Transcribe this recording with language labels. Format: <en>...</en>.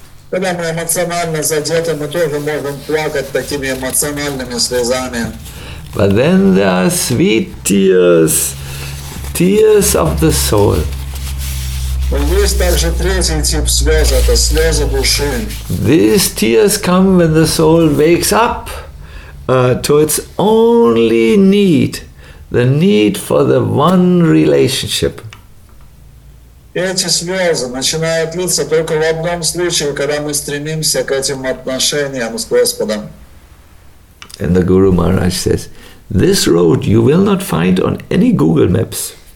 <ru>Когда мы эмоционально задеты, мы тоже можем плакать такими эмоциональными слезами.</ru> <en>But then there are sweet tears, tears of the soul.</en> <ru>Есть также третий тип слез, это слезы души.</ru> <en>These tears come when the soul wakes up to its only need, the need for the one relationship.</en> <ru>Эти слезы начинают литься только в одном случае, когда мы стремимся к этим отношениям с Господом.</ru> <en>And the Guru Maharaj says, this road you will not find on any Google Maps.</en>